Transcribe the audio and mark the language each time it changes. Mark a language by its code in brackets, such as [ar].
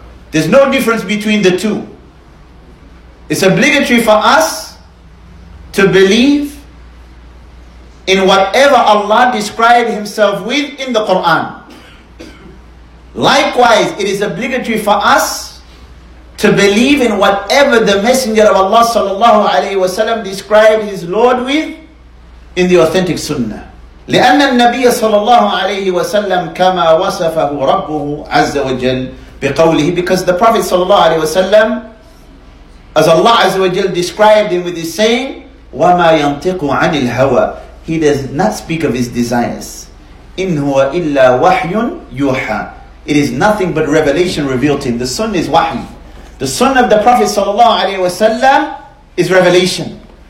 [en] There's no difference between the two. It's obligatory for us to believe in whatever Allah described Himself with in the Qur'an. Likewise, it is obligatory for us to believe in whatever the Messenger of Allah sallallahu alayhi wa sallam described his Lord with in the authentic sunnah. [ar] لِأَنَّ النَّبِيَّ sallallahu alayhi wa sallam كَمَا وَصَفَهُ رَبُّهُ عَزَّ وَجَلْ بِقَوْلِهِ. [en] Because the Prophet sallallahu alayhi wa sallam, as Allah azza wa jal described him with his saying, [ar] وَمَا يَنْطِقُ عَنِ الْهَوَى. [en] He does not speak of his desires. [ar] إِنْ هُوَ إِلَّا وَحْيٌ يُوحَى. [en] It is nothing but revelation revealed to him. The sunnah is wahi. The sunnah of the Prophet ﷺ is revelation.